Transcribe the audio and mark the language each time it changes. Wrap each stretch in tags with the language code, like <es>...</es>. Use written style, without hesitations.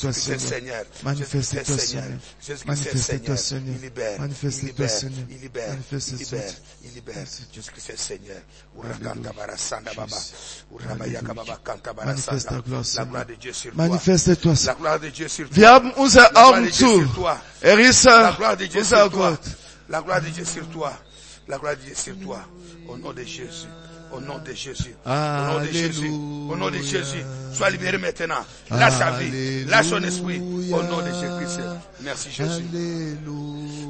<fr>manifeste-toi Seigneur, manifeste-toi Seigneur, manifeste-toi Seigneur, il libère, manifeste-toi Seigneur, il libère, manifeste-toi Seigneur, il libère, Jésus-Christ est Seigneur, Urakanta Barasanda Baba, Rabba Yakaba Kanta Barasanda, manifeste-toi la gloire de Dieu sur toi, manifeste-toi, la gloire de Dieu sur toi,</fr> <de>wir haben unser Augen zu, Erissa.</de> <fr>La gloire de Dieu sur toi. La gloire de Dieu sur toi. La gloire de Dieu sur toi. Au nom de Jésus. Au nom de Jésus. Au nom de Jésus. Au nom de Jésus. Sois libéré maintenant. Lâche sa vie. Lâche son esprit. Au nom de Jésus-Christ. Merci Jésus. Alléluia.</fr>